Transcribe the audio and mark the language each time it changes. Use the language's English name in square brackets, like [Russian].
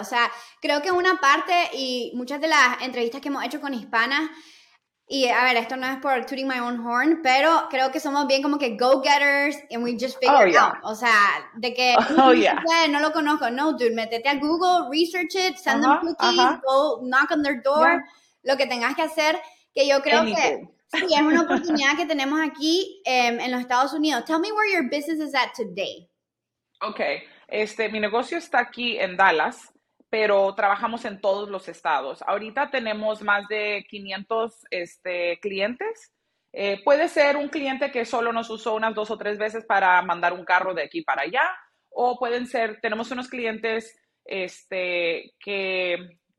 [Spanish] O sea, creo que una parte y muchas de las entrevistas que hemos hecho con hispanas, y a ver, esto no es por [English] tooting my own horn, [Spanish] pero creo que somos bien como que [English] go-getters and we just figure it out. [Spanish] O sea, de que no lo conozco. No, dude, métete a Google, [English] research it, send them cookies, go knock on their door, [Spanish] lo que tengas que hacer, que yo creo que... Sí, es una oportunidad que tenemos aquí en los Estados Unidos. [English] Tell me where your business is at today. [Spanish] Okay, mi negocio está aquí en Dallas, pero trabajamos en todos los estados. Ahorita tenemos más de 500 clientes. Puede ser un cliente que solo nos usó unas dos o tres veces para mandar un carro de aquí para allá, o pueden ser, tenemos unos clientes que...